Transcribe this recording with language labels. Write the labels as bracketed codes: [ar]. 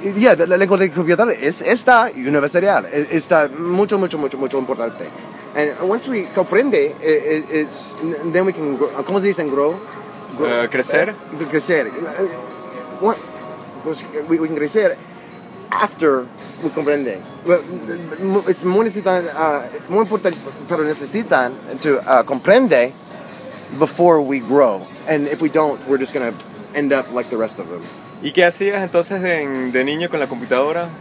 [es] Yeah, la lengua de la computadora está universal. Está mucho, mucho, mucho, mucho importante. [en] And once we [es] comprende, [en] it's, then we can grow. [es] ¿Cómo se dice grow? Crecer. Crecer. [en] We can [es] crecer. [en] After we [es] comprende, [en] it's [es] muy [en] important, [es] pero necesitan [en] to comprende before we grow. And if we don't, we're just gonna end up like the rest of them. [es] ¿Y qué hacías entonces de niño con la computadora?